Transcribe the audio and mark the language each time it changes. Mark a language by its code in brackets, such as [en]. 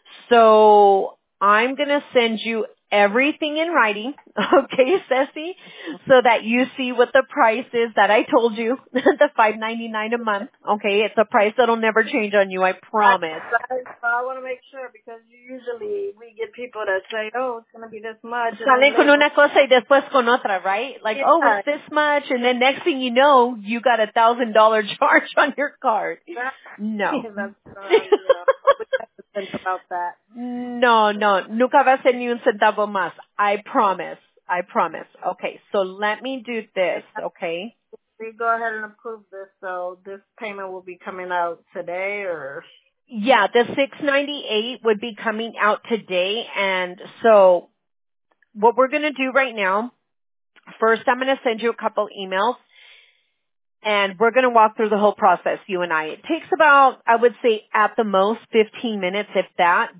[en] So I'm going to send you everything in writing, okay, Ceci, so that you see what the price is that I told you, the $5.99 a month, okay? It's a price that'll never change on you, I promise. I want to make sure, because usually we get people that say, oh, it's going to be this much. [es] Sale con una cosa y después con otra, right? [en] Like, yeah. Oh, it's this much, and then next thing you know, you got a $1,000 charge on your card. That's, no. Yeah, that's not, about that. [es] No, no, nunca va a ser ni un centavo más. [en] I promise, okay, so let me do this, okay? We go ahead and approve this, so this payment will be coming out today, or? Yeah, the $698 would be coming out today, and so what we're going to do right now, first I'm going to send you a couple emails, and we're going to walk through the whole process, you and I. It takes about, I would say, at the most 15 minutes, if that.